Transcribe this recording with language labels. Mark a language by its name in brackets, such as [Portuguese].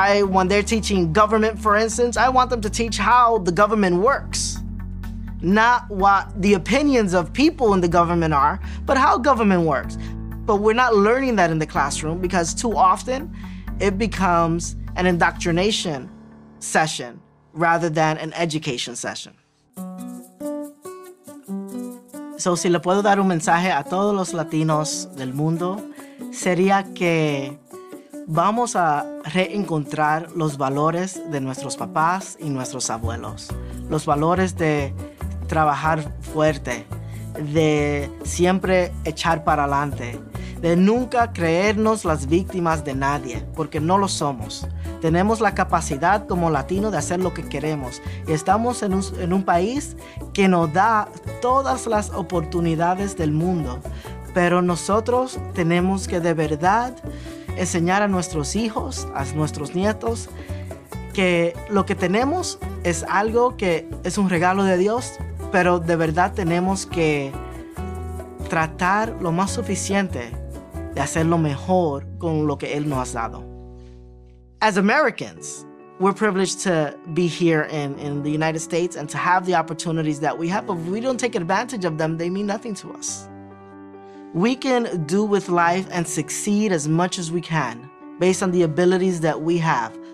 [English] When they're teaching government, for instance, I want them to teach how the government works, not what the opinions of people in the government are, but how government works. But we're not learning that in the classroom because too often it becomes an indoctrination session rather than an education session. [Spanish] So, si le puedo dar un mensaje a todos los latinos del mundo, sería que vamos a reencontrar los valores de nuestros papás y nuestros abuelos. Los valores de trabajar fuerte, de siempre echar para adelante, de nunca creernos las víctimas de nadie, porque no lo somos. Tenemos la capacidad como latino de hacer lo que queremos. Y estamos en un país que nos da todas las oportunidades del mundo. Pero nosotros tenemos que de verdad enseñar a nuestros hijos, a nuestros nietos, que lo que tenemos es algo que es un regalo de Dios, pero de verdad tenemos que tratar lo más suficiente de hacer lo mejor con lo que Él nos ha dado. [English] As Americans, we're privileged to be here in the United States and to have the opportunities that we have, but if we don't take advantage of them, they mean nothing to us. We can do with life and succeed as much as we can based on the abilities that we have.